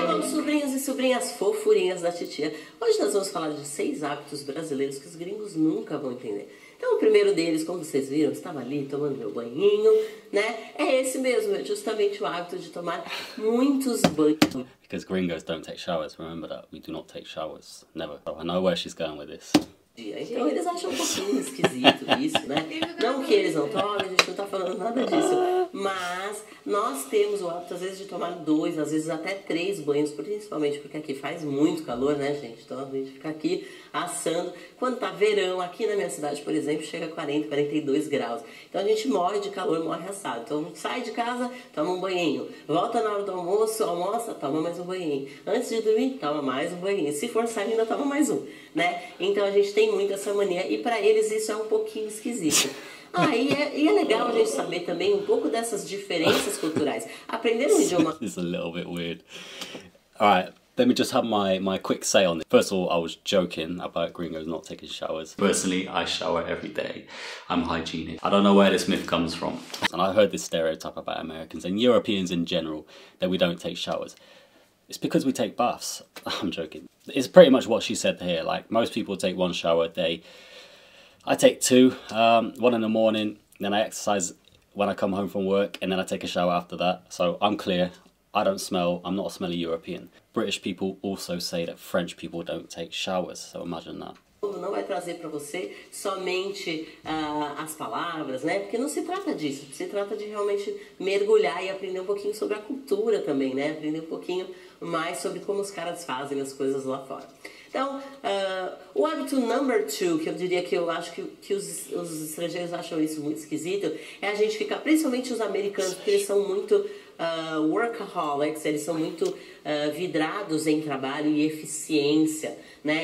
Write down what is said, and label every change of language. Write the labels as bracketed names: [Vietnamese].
[Portuguese] Sobrinhos e sobrinhas fofurinhas da titia. Hoje nós vamos falar de seis hábitos brasileiros que os gringos nunca vão entender. Então, o primeiro deles, como vocês viram, estava ali tomando meu banhinho, né? É esse mesmo, é justamente o hábito de tomar muitos banhos. [English] Because gringos don't take showers, remember that. We do not take showers. Never. So I know where she's going with this. [Portuguese] Então, eles acham um pouquinho esquisito isso, né? Não que eles não tomem, a gente não está falando nada disso. Mas nós temos o hábito, às vezes, de tomar dois, às vezes até três banhos, principalmente porque aqui faz muito calor, né, gente? Então a gente fica aqui assando. Quando tá verão, aqui na minha cidade, por exemplo, chega 40, 42 graus. Então a gente morre de calor, morre assado. Então sai de casa, toma um banhinho. Volta na hora do almoço, almoça, toma mais um banhinho. Antes de dormir, toma mais um banhinho. Se for sair, ainda toma mais um, né? Então a gente tem muito essa mania e para eles isso é um pouquinho esquisito. Ah, e é legal a gente saber também um pouco dessas diferenças culturais. Aprender um idioma. [English] It's a little bit weird. All right, let me just have my quick say on this. First of all, I was joking about gringos not taking showers. Personally, I shower every day. I'm hygienic. I don't know where this myth comes from. And I heard this stereotype about Americans and Europeans in general that we don't take showers. It's because we take baths. I'm joking. It's pretty much what she said here. Like most people take one shower a day. I take two, one in the morning, then I exercise when I come home from work, and then I take a shower after that. So I'm clear. I don't smell. I'm not a smelly European. British people also say that French people don't take showers. So imagine that. [Portuguese] Não vai trazer para você somente as palavras, né? Porque não se trata disso. Se trata de realmente mergulhar e aprender um pouquinho sobre a cultura também, né? Aprender um pouquinho mais sobre como os caras fazem as coisas lá fora. Então, o hábito [English] number two, [Portuguese] que eu diria que eu acho que os estrangeiros acham isso muito esquisito, é a gente ficar, principalmente os americanos, porque eles são muito workaholics, eles são muito vidrados em trabalho e eficiência, né?